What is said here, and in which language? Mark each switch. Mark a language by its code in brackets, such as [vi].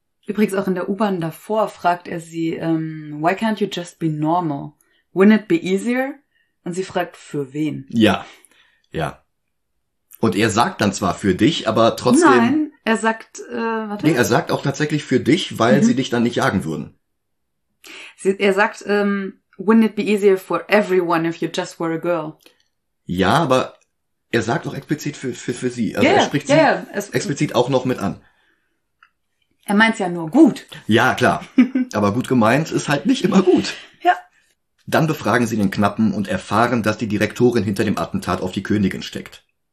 [de] Übrigens auch in der U-Bahn davor fragt er sie, [en] why can't you just be normal? Wouldn't it be easier? [de] Und sie fragt, für wen? Ja. Und er sagt dann zwar für dich, aber trotzdem... Nein, er sagt, warte. Nee, er sagt auch tatsächlich für dich, weil sie dich dann nicht jagen würden. Er sagt, [en] wouldn't it be easier for everyone if you just were a girl? [de] Ja, aber er sagt auch explizit für sie. Also yeah, er spricht sie explizit auch noch mit an. Er meint's ja nur gut. Ja, klar. Aber gut gemeint ist halt nicht immer gut. Ja. Dann befragen sie den Knappen und erfahren, dass die Direktorin hinter dem Attentat auf die Königin steckt.